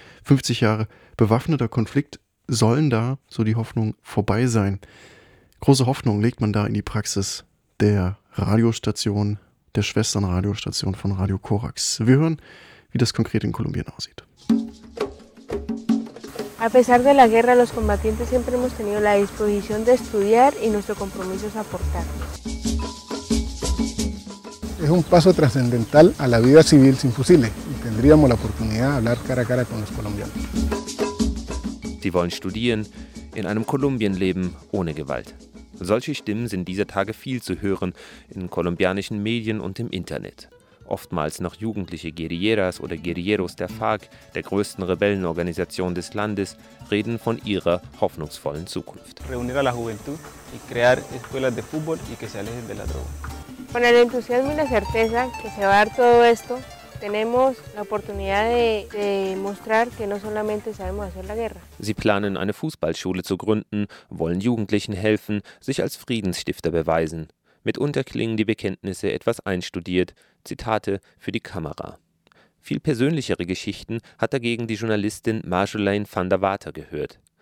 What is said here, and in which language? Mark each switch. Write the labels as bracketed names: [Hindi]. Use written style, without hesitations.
[German] 50 Jahre bewaffneter Konflikt sollen da, so die Hoffnung, vorbei sein. Große Hoffnung legt man da in die Praxis der Radiostation, der Schwestern-Radiostation von Radio Corax. Wir hören, wie das konkret in Kolumbien aussieht. [Spanish] A pesar de la guerra, los combatientes siempre hemos tenido la disposición de estudiar y nuestro compromiso es aportar. Es un paso trascendental a la vida civil sin fusiles y tendríamos la oportunidad de hablar cara a cara con los colombianos. [German] Sie wollen studieren, in einem Kolumbien leben ohne Gewalt. Solche Stimmen sind dieser Tage viel zu hören in kolumbianischen Medien und im Internet. Oftmals noch jugendliche Guerilleras oder Guerilleros der FARC, der größten Rebellenorganisation des Landes, reden von ihrer hoffnungsvollen Zukunft. [Spanish] Reunir a la juventud y crear escuelas de fútbol y que se alejen de la droga. Con el entusiasmo y la certeza que se va a dar todo esto, tenemos la oportunidad de mostrar que no solamente sabemos hacer la guerra. [German] Sie planen, eine Fußballschule zu gründen, wollen Jugendlichen helfen, sich als Friedensstifter beweisen. Mitunter klingen die Bekenntnisse etwas einstudiert, Zitate für die Kamera. Viel persönlichere Geschichten hat dagegen die Journalistin Marjolaine van der Water gehört.